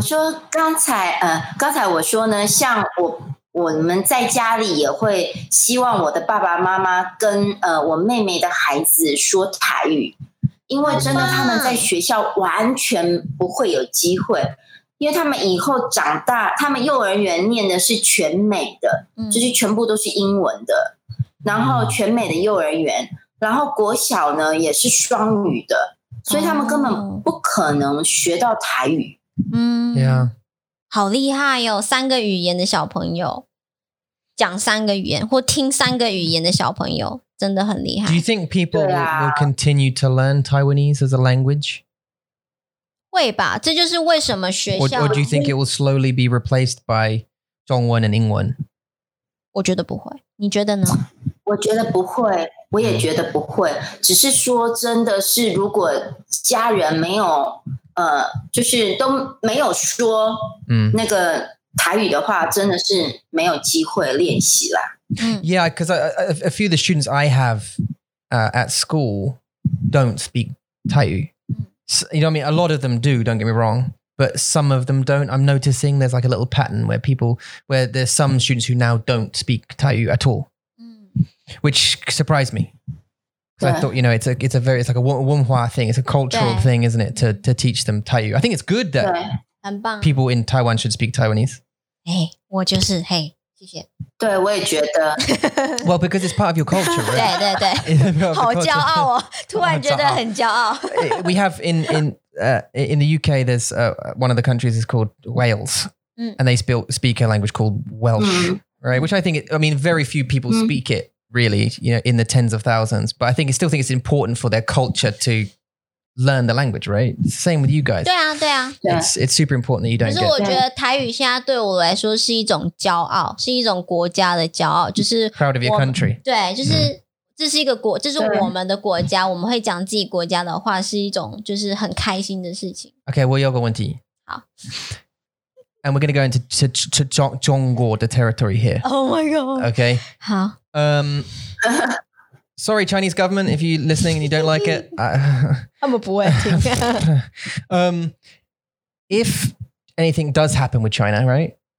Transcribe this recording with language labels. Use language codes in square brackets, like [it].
[zh] 我说刚才我说呢，像我们在家里也会希望我的爸爸妈妈跟我妹妹的孩子说台语，因为真的他们在学校完全不会有机会，因为他们以后长大，他们幼儿园念的是全美的，就是全部都是英文的，然后全美的幼儿园，然后国小呢也是双语的，所以他们根本不可能学到台语。嗯、 [en] yeah. [zh] 好厉害哦，三个语言的小朋友，讲三个语言或听三个语言的小朋友，真的很厉害。 [en] Do you think people will continue to learn Taiwanese as a language? [zh] 会吧，这就是为什么学校。 [en] Or do you think it will slowly be replaced by 中文 and 英文？ [zh] 我觉得不会，你觉得呢？我觉得不会，我也觉得不会。只是说，真的是如果家人没有。就是都没有说那个台语的话、真的是没有机会练习啦。 [en] Yeah, because a few of the students I have at school don't speak 台语. So, you know what I mean? A lot of them do, don't get me wrong, but some of them don't. I'm noticing there's like a little pattern where there's some students who now don't speak 台语 at all, which surprised me. So、I thought, you know, it's a very, it's like a 文化 thing. It's a cultural thing, isn't it? To teach them Thai. I think it's good that people in Taiwan should speak Taiwanese. [zh] Hey, 我就是 hey, 谢谢。对，我也觉得。 [en] Well, because it's part of your culture, right? [zh] 对对对。好骄傲哦，突然觉得很骄傲。 [en] We have in the UK, there's one of the countries is called Wales, and they speak a language called Welsh, right? Which I think, very few people speak it.Really, you know, in the tens of thousands, but I think it's important for their culture to learn the language, right? Same with you guys. [zh] 对啊，对啊。 [en] It's super important that you don't. [zh] 可是我觉得台语现在对我来说是一种骄傲，是一种国家的骄傲，就是 [en] proud of your country. [zh] 对，就是这是一个国，这是我们的国家，我们会讲自己国家的话，是一种就是很开心的事情。 Okay, 我有个问题。好。 [en] And we're going to go into to 中国 the territory here. Oh my god. Okay. [zh] 好。 [en] Sorry, Chinese government, if you're listening and you don't like it. I'm a poetic. If anything does happen with China, right?